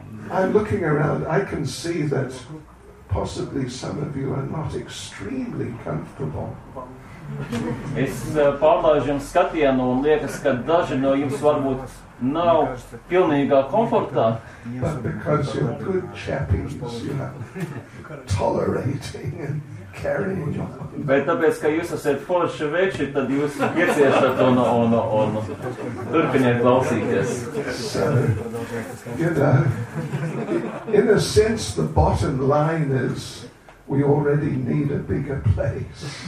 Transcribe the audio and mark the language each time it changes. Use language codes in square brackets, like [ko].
[en] I'm looking around, I can see that possibly some of you are not extremely comfortable. [lv] Es pārlaužu jums skatienu un liekas, ka daži no jums varbūt nav pilnīgā komfortā. [en] But because you're good chappies, you know, tolerating and carrying on. [lv] Bet tāpēc, ka jūs esat forši veči, tad jūs ieciešat un turpiniet klausīties. [en] So, you know, in a sense, the bottom line is we already need a bigger place.